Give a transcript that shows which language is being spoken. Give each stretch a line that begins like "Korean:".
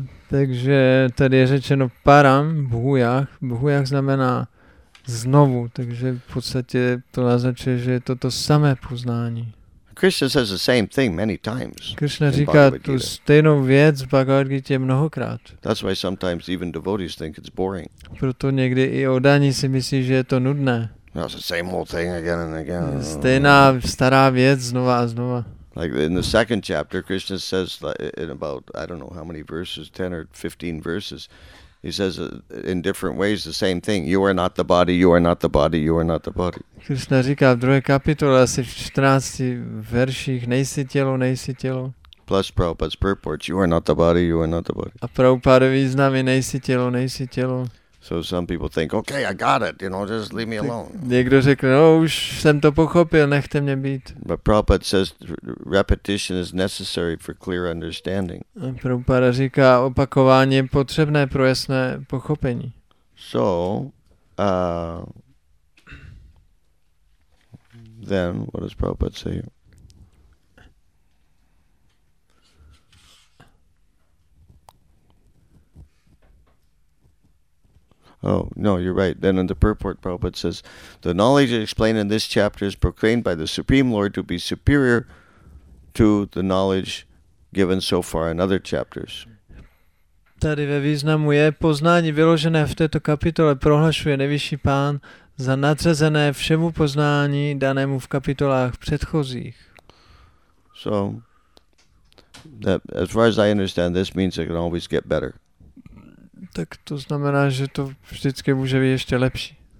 Czech: Takže tady je řečeno param bhujach. Bhujach znamená znovu. Takže v podstatě to naznačuje, že je to to samé poznání.
English: Krishna says the same thing many times.
Czech: Krishna říká tu stejnou věc v Bhagavad Gita mnohokrát.
English: That's why sometimes even devotees think it's boring.
Czech: Proto někdy i oddaní si myslí, že je to nudné.
English: No, it's the same old thing again and again.
Czech: Stejná stará věc znova a znova.
English: Like in the second chapter, Krishna says in about, I don't know how many verses, 10 or 15 verses, he says in different ways the same thing. You are not the body, you are not the body, you are not the body.
Czech: Krishna říká v druhé kapitole, asi v 14 verších, nejsi tělo, nejsi tělo.
English: Plus Prabhupada's purport, you are not the body, you are not the body.
Czech: A Prabhupada významy, nejsi tělo, nejsi tělo.
English: So some people think, okay, I got it, you know, just leave me alone.
Czech: Někdo řekl, no, už jsem to pochopil, nechte mě být.
English: But Prabhupada says repetition is necessary for clear understanding.
Czech: A Prabhupada říká, opakování je potřebné pro jasné pochopení.
English: So, then, what does Prabhupada say? Oh, no, you're right. Then in the purport, Prabhupada says, the knowledge explained in this chapter is proclaimed by the Supreme Lord to be superior to the knowledge given so far in other chapters.
Czech: Tady ve významu je, poznání vyložené v této kapitole prohlašuje nejvyšší pán za nadřazené všemu poznání danému v kapitolách předchozích.
English: So, that, as far as I understand, this means it can always get better.
Czech: Tak to znamená, že to vždycky může být ještě lepší.